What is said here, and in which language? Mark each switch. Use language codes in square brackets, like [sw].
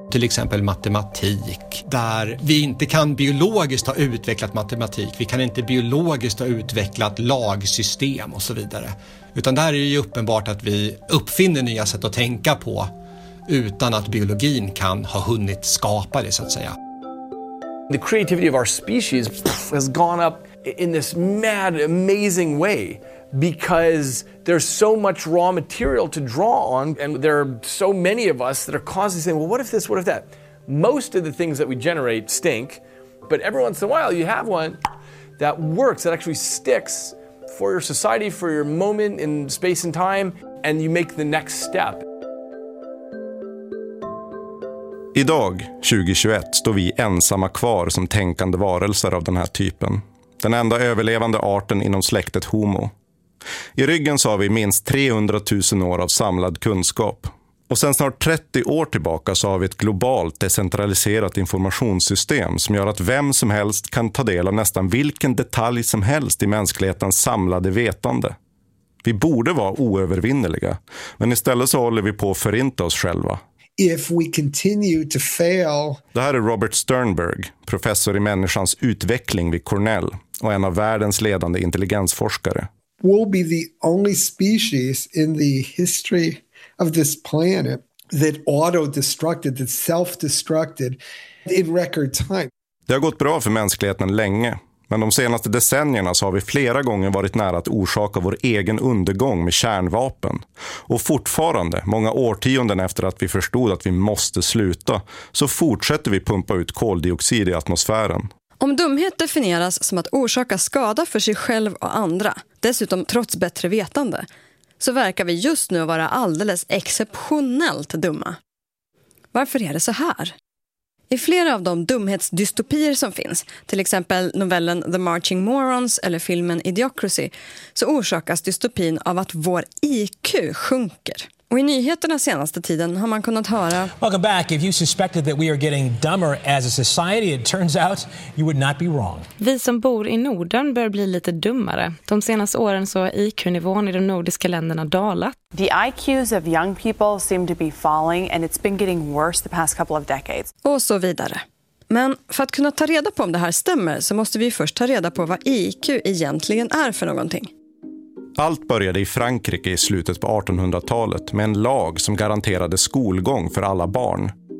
[sv] Till exempel matematik, där vi inte kan biologiskt ha utvecklat matematik. Vi kan inte biologiskt ha utvecklat lagsystem och så vidare. Utan där är det ju uppenbart att vi uppfinner nya sätt att tänka på utan att biologin kan ha hunnit skapa det, så att säga. [en] The creativity of our species has gone up in this mad, amazing way. Because there's so much raw material to draw on, and there are so many of us that are constantly saying, well, what if this, what if that? Most of the things that we generate stink, but every once in a while you have one that works, that actually sticks for your society, for your moment in space and time, and you make the next step. [sv] Idag, 2021, står vi ensamma kvar som tänkande varelser av den här typen. Den enda överlevande arten inom släktet Homo. I ryggen så har vi minst 300 000 år av samlad kunskap. Och sen snart 30 år tillbaka så har vi ett globalt decentraliserat informationssystem som gör att vem som helst kan ta del av nästan vilken detalj som helst i mänsklighetens samlade vetande. Vi borde vara oövervinneliga, men istället så håller vi på att förinta oss själva. [en] If we continue to fail... [sv] Det här är Robert Sternberg, professor i människans utveckling vid Cornell och en av världens ledande intelligensforskare. [en] We'll be the only species in the history of this planet that auto-destructed, that self-destructed in record time. [sv] Det har gått bra för mänskligheten länge, men de senaste decennierna så har vi flera gånger varit nära att orsaka vår egen undergång med kärnvapen. Och fortfarande, många årtionden efter att vi förstod att vi måste sluta, så fortsätter vi pumpa ut koldioxid i atmosfären. Om dumhet definieras som att orsaka skada för sig själv och andra, dessutom trots bättre vetande, så verkar vi just nu vara alldeles exceptionellt dumma. Varför är det så här? I flera av de dumhetsdystopier som finns, till exempel novellen The Marching Morons eller filmen Idiocracy, så orsakas dystopin av att vår IQ sjunker. Och i nyheterna senaste tiden har man kunnat höra... [en] Welcome back. If you suspected that we are getting dumber as a society, it turns out you would not be wrong. [sv] Vi som bor i Norden bör bli lite dummare. De senaste åren så har IQ-nivån i de nordiska länderna dalat. [en] The IQs of young people seem to be falling and it's been getting worse the past couple of decades. [sv] Och så vidare. Men för att kunna ta reda på om det här stämmer så måste vi först ta reda på vad IQ egentligen är för någonting. Allt började i Frankrike i slutet på 1800-talet med en lag som garanterade skolgång för alla barn.